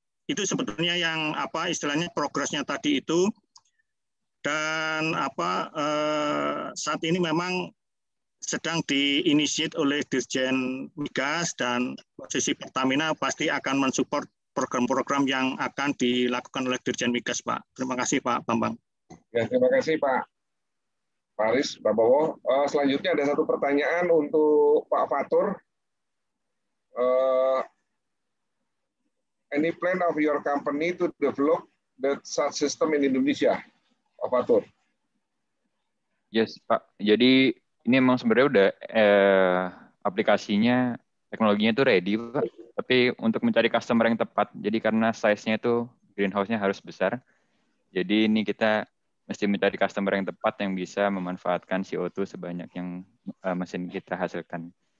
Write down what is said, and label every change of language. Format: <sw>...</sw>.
<id>Itu sebetulnya yang apa istilahnya progresnya tadi itu. Dan apa saat ini memang sedang diinisiat oleh Dirjen Migas dan posisi Pertamina pasti akan mensupport program-program yang akan dilakukan oleh Dirjen Migas, Pak. Terima kasih, Pak Bambang. Ya, terima kasih, Pak Haris, Pak Bowo. Selanjutnya ada satu pertanyaan untuk Pak Fatur.</id> <en>Any plan of your company to develop that system in Indonesia, Pak Fatur? Yes, Pak.</en> <id>Jadi ini memang sebenarnya udah aplikasinya, teknologinya itu ready, Pak. Tapi untuk mencari customer yang tepat, jadi karena size-nya itu greenhouse-nya harus besar, jadi ini kita mesti mencari customer yang tepat yang bisa memanfaatkan CO2 sebanyak yang mesin kita hasilkan.</id>